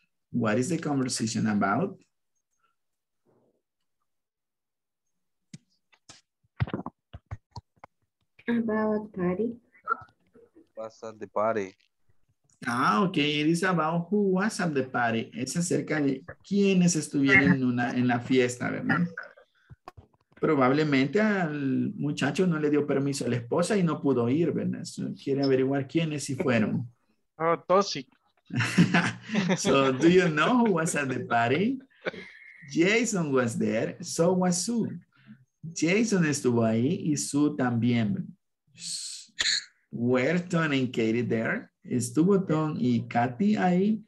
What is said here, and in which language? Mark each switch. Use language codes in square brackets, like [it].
[en] What is the conversation about? About party. What's at the party? Ah, okay. It is about who was at the party. [es] Es acerca de quienes estuvieron en la fiesta, ¿verdad? Probablemente al muchacho no le dio permiso a la esposa y no pudo ir, ¿verdad? So, quiere averiguar quiénes y fueron. Oh, Tosi. [en] So, do you know who was at the party? Jason was there, so was Sue. [es] Jason estuvo ahí y Sue también. [en] Were Tom and Katie there? [es] ¿Estuvo Tom y Katy ahí?